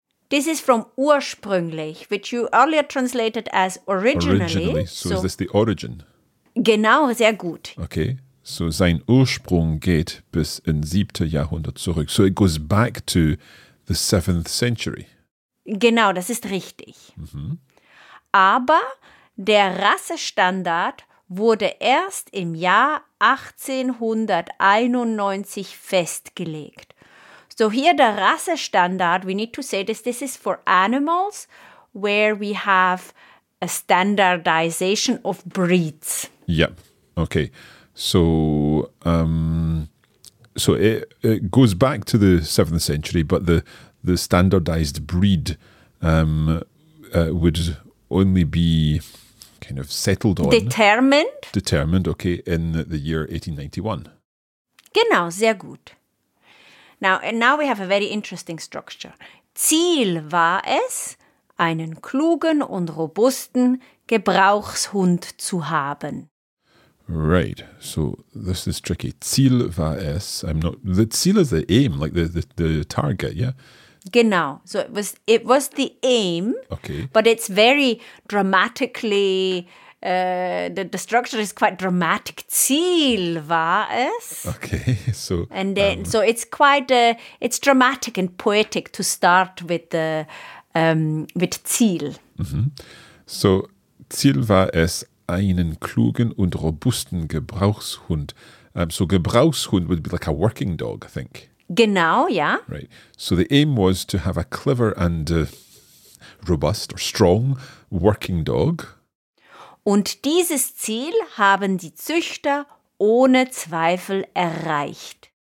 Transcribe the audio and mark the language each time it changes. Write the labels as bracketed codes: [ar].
[en] This is from ursprünglich, which you earlier translated as originally. So is this the origin? [de] Genau, sehr gut. [en] Okay, so [de] sein Ursprung geht bis in 7. Jahrhundert zurück. [en] So it goes back to the 7th century. [de] Genau, das ist richtig. Mm-hmm. Aber der Rassestandard wurde erst im Jahr 1891 festgelegt. [en] So here the race standard, we need to say this is for animals where we have a standardization of breeds. Yep. Okay. So it goes back to the 7th century, but the standardized breed would only be kind of settled on. Determined. Determined, okay, in the year 1891. [de] Genau, sehr gut. [en] Now we have a very interesting structure. [de] Ziel war es, einen klugen und robusten Gebrauchshund zu haben. [en] Right, so this is tricky. [de] Ziel war es, [en] the Ziel is the aim, like the target, yeah? Genau, so it was the aim, okay. But it's very dramatically, the structure is quite dramatic. [de] Ziel war es. [en] Okay, so. And then, so it's quite, it's dramatic and poetic to start with the, with Ziel. Mm-hmm. [de] So, Ziel war es, einen klugen und robusten Gebrauchshund. [en] So Gebrauchshund would be like a working dog, I think. [de] Genau, yeah. [en] Right. So the aim was to have a clever and robust or strong working dog. [de] Und dieses Ziel haben die Züchter ohne Zweifel erreicht.